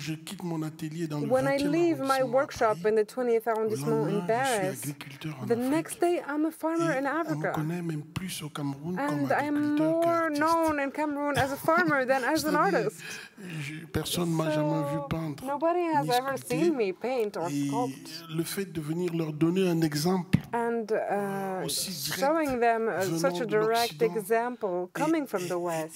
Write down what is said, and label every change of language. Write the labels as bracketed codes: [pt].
[en] When I leave my workshop in the 20th arrondissement in Paris, the next day I'm a farmer in Africa, and I'm more known in Cameroon as a farmer than as an artist. [fr] Personne m'a jamais vu peindre. [en] Nobody has ever seen me paint or sculpt. [fr] Le fait de venir leur donner un exemple, [en] and showing them such a direct example coming from the West,